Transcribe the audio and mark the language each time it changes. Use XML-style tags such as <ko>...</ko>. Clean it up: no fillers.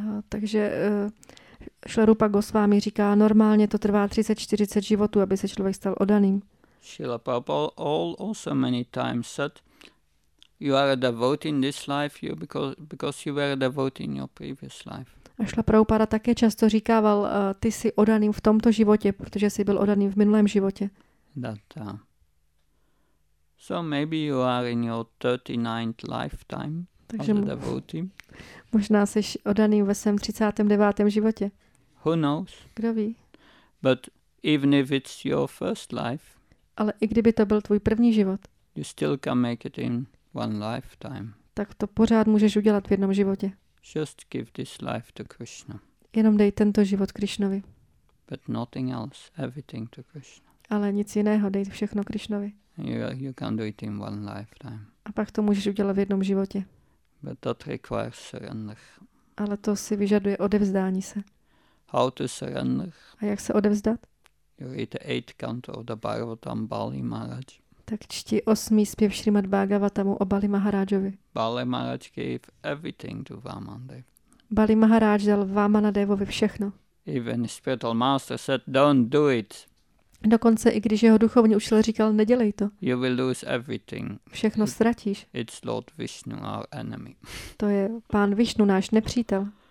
<cs>Takže Srila Rupa Goswami říká normálně to trvá 30-40 životů, aby se člověk stal oddaným.</cs> <en>Srila Prabhupada also many times said, "You are a devotee in this life, you because you were a devotee in your previous life."</en> <cs>A Srila Prabhupada také často říkával, ty jsi oddaným v tomto životě, protože jsi byl oddaným v minulém životě.</cs> <en>That, so maybe you are in your 39th lifetime as a devotee.</en> <cs>Možná jsi oddaným ve svém 39. životě.</cs> <en>Who knows?</en> <cs>Kdo ví?</cs> <en>But even if it's your first life.</en> <cs>Ale i kdyby to byl tvůj první život,</cs> <en>you still can make it in one lifetime.</en> <cs>Tak to pořád můžeš udělat v jednom životě.</cs> <en>Just give this life to Krishna.</en> <cs>Jenom dej tento život Krishnovi.</cs> <en>But nothing else, everything to Krishna.</en> <cs>Ale nic jiného, dej všechno Krishnovi.</cs> <en>You can do it in one lifetime.</en> <cs>A pak to můžeš udělat v jednom životě.</cs> <en>But that requires surrender.</en> <cs>Ale to si vyžaduje odevzdání se.</cs> <en>How to surrender?</en> <cs>A jak se odevzdat?</cs> <en>You read the eighth canto of the Bhagavatam Bali Maharaj.</en> <cs>Tak čti osmý zpěv Srimad Bhagavatamu o Bali Maharajovi.</cs> <en>Bali Maharaj gave everything to Vamanadev.</en> <cs>Bali Maharaj dal Vamanadevovi všechno.</cs> <en>Even his spiritual master said, don't do it.</en> <cs>Dokonce i když jeho duchovní učitel říkal, nedělej to.</cs> <en>You will lose everything.</en> <cs>Všechno ztratíš.</cs> <en>It's Lord Vishnu, our enemy.</en> <cs>To je pán Vishnu, náš nepřítel.</cs>